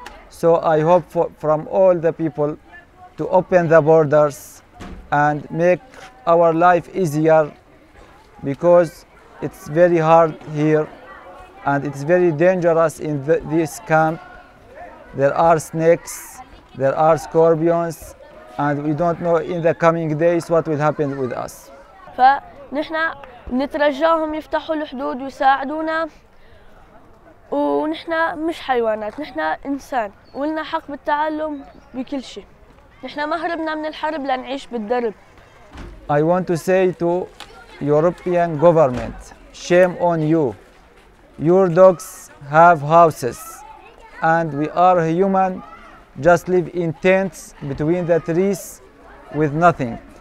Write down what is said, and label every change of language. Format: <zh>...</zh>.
<en>So I hope from all the people to open the borders and make our life easier, because it's very hard here and it's very dangerous in this camp. There are snakes, there are scorpions, and we don't know in the coming days what will happen with us.</en> <ar>فنحن نترجاهم يفتحوا الحدود ويساعدونا ونحن مش حيوانات نحن انسان ولنا حق بالتعلم بكل شيء نحن ما هربنا من الحرب لنعيش بالدرب.</ar> <en>I want to say to European government, shame on you. Your dogs have houses and we are human, just live in tents between the trees with nothing.</en>